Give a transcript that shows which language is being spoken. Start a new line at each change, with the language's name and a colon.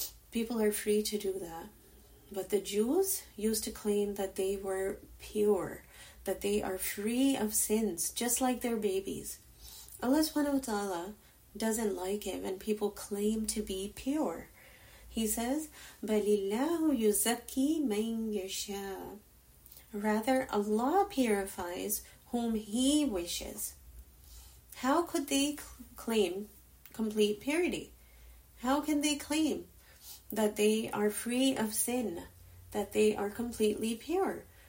English: People are free to do that. But the Jews used to claim that they were pure, that they are free of sins, just like their babies. Allah subhanahu wa ta'ala doesn't like it when people claim to be pure. He says,
Arabic: بَلِلَّهُ يُزَكِّي مَنْ يَشَاءُ.
English: Rather, Allah purifies whom He wishes. How could they claim complete purity? How can they claim that they are free of sin, that they are completely pure?